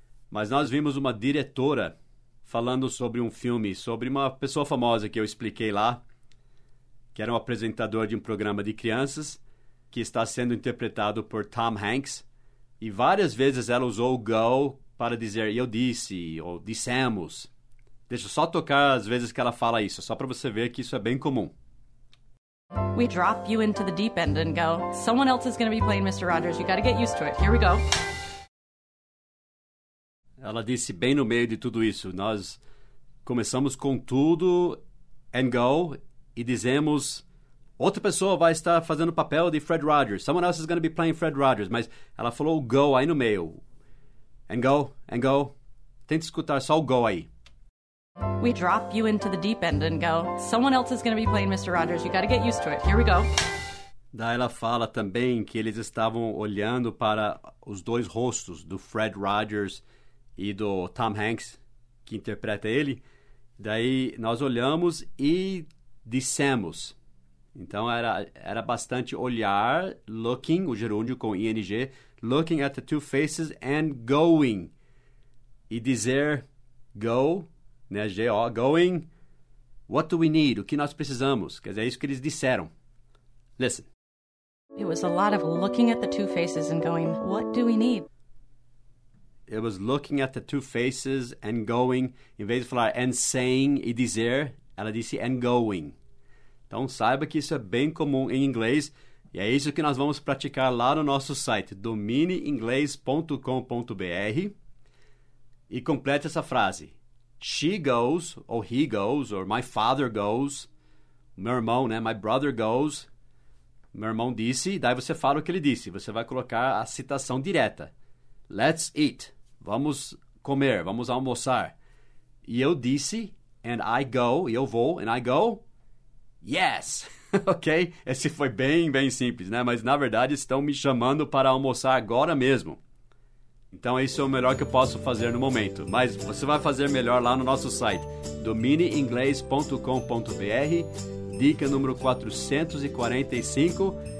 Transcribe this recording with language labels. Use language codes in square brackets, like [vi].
[pt] Mas nós vimos uma diretora falando sobre um filme, sobre uma pessoa famosa que eu expliquei lá, que era um apresentador de um programa de crianças, que está sendo interpretado por Tom Hanks, e várias vezes ela usou o go para dizer eu disse, ou dissemos. Deixa eu só tocar as vezes que ela fala isso, só para você ver que isso é bem comum. [en] We drop you into the deep end and go, someone else is going to be playing Mr. Rogers, you got to get used to it, here we go. [pt] Ela disse bem no meio de tudo isso, nós começamos com tudo and go e dizemos, outra pessoa vai estar fazendo o papel de Fred Rogers, [en] someone else is going to be playing Fred Rogers, [pt] mas ela falou o go aí no meio, [en] and go, [pt] tente escutar só o go aí. [en] We drop you into the deep end and go, someone else is going to be playing Mr. Rogers, you got to get used to it, here we go. [pt] Daí ela fala também que eles estavam olhando para os dois rostos do Fred Rogers e do Tom Hanks, que interpreta ele. Daí nós olhamos e dissemos. Então era bastante olhar, [en] looking, [pt] o gerúndio com ing, [en] looking at the two faces and going. [pt] E dizer go, né, G-O, going, [en] what do we need? [pt] O que nós precisamos? Quer dizer, é isso que eles disseram. [en] Listen. It was a lot of looking at the two faces and going, what do we need? It was looking at the two faces and going. [pt] Em vez de falar [en] and saying [pt] e dizer, ela disse and going. Então, saiba que isso é bem comum em inglês. E é isso que nós vamos praticar lá no nosso site, dominioinglês.com.br. E complete essa frase. [en] She goes, or he goes, or my father goes, [pt] meu irmão, [en] né? My brother goes, [pt] meu irmão disse, daí você fala o que ele disse, você vai colocar a citação direta. [en] Let's eat, [pt] vamos comer, vamos almoçar. E eu disse, [en] and I go, [pt] e eu vou, [en] and I go, yes, ok? [pt] Esse foi bem, bem simples, né? Mas na verdade estão me chamando para almoçar agora mesmo. Então, isso é o melhor que eu posso fazer no momento. Mas você vai fazer melhor lá no nosso site, dominioinglês.com.br, dica número 445.